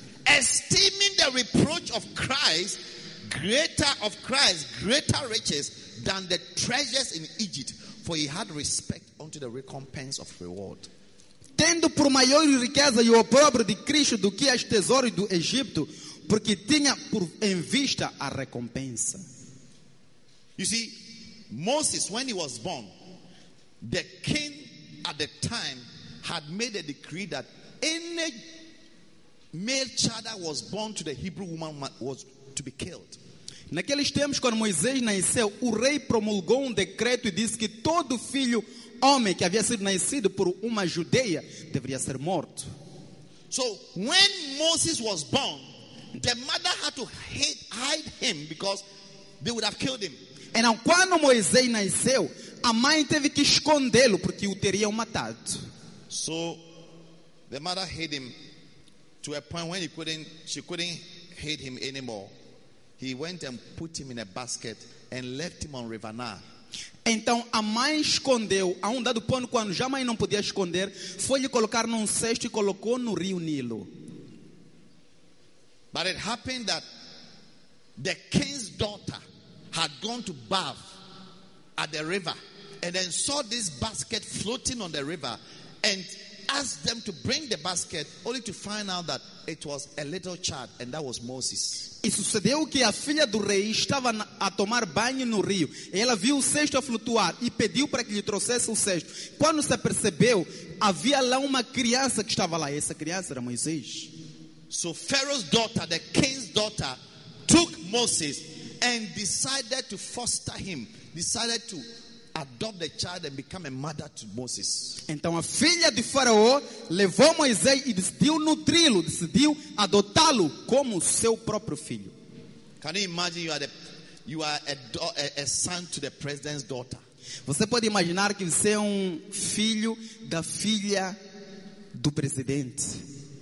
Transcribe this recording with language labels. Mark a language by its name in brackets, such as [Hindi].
[English] Esteeming the reproach of Christ greater riches than the treasures in Egypt, for he had respect unto the recompense of reward. [Portuguese] Tendo por maior riqueza e o opróbrio de Cristo do que as tesouras do Egito, porque tinha por em vista a recompensa. [English] You see, Moses, when he was born, the king at the time had made a decree that any male child that was born to the Hebrew woman was to be killed. [Portuguese] Naqueles tempos, quando Moisés nasceu, o rei promulgou um decreto e disse que todo filho homem que havia sido nascido por uma judeia deveria ser morto. [English] So, when Moses was born, the mother had to hide him because they would have killed him. [Portuguese] Então, quando Moisés nasceu, a mãe teve que escondê-lo porque o teriam matado. [English] So, the mother hid him to a point when she couldn't hid him anymore. He went and put him in a basket and left him on Rivanna. [Portuguese] Então a mãe escondeu, a um dado ponto, quando já a mãe não podia esconder, foi lhe colocar num cesto e colocou no rio Nilo. [English] But it happened that the king's daughter had gone to bath at the river and then saw this basket floating on the river and asked them to bring the basket, only to find out that it was a little child, and that was Moses. [Portuguese] E sucedeu que a filha do rei estava a tomar banho no rio. Ela viu o cesto a flutuar e pediu para que lhe trouxesse o cesto. Quando se percebeu, havia lá uma criança que estava lá. Essa criança era Moisés. [English] So Pharaoh's daughter, the king's daughter, took Moses and decided to foster him. Decided to adopt the child and become a mother to Moses. [Portuguese] Então a filha de Faraó levou Moisés e decidiu nutri-lo, decidiu adotá-lo como seu próprio filho. [English] Can you imagine you are a son to the president's daughter? [Portuguese] Você pode imaginar que você é filho da filha do presidente?